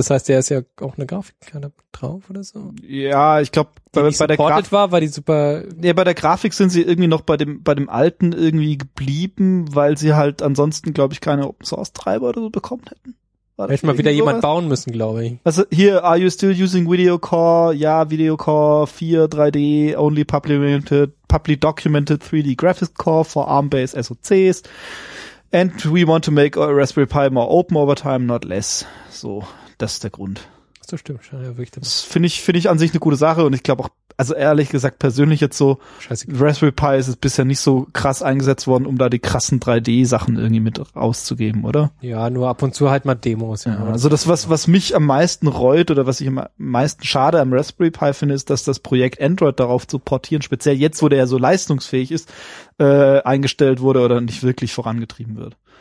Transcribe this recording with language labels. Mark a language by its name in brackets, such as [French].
[German] Das heißt, der ist ja auch eine Grafikkarte drauf oder so. Ja, ich glaube, war die super. Ja, bei der Grafik sind sie irgendwie noch bei dem alten irgendwie geblieben, weil sie halt ansonsten, glaube ich, keine Open Source Treiber oder so bekommen hätten. Hätte mal wieder jemand bauen müssen, glaube ich. Also hier, [English] are you still using Video Core? Ja, Video Core 4, 3D, only publicly documented 3D Graphics Core for ARM-based SoCs. And we want to make our Raspberry Pi more open over time, not less. [German] So, das ist der Grund. So stimmt schon, ja, wirklich. Das finde ich an sich eine gute Sache und ich glaube auch, also ehrlich gesagt, persönlich jetzt so, scheißegal. Raspberry Pi ist es bisher nicht so krass eingesetzt worden, um da die krassen 3D-Sachen irgendwie mit rauszugeben, oder? Ja, nur ab und zu halt mal Demos. Ja, also das, was mich am meisten reut oder was ich am meisten schade am Raspberry Pi finde, ist, dass das Projekt Android darauf zu portieren, speziell jetzt, wo der ja so leistungsfähig ist, eingestellt wurde oder nicht wirklich vorangetrieben wird.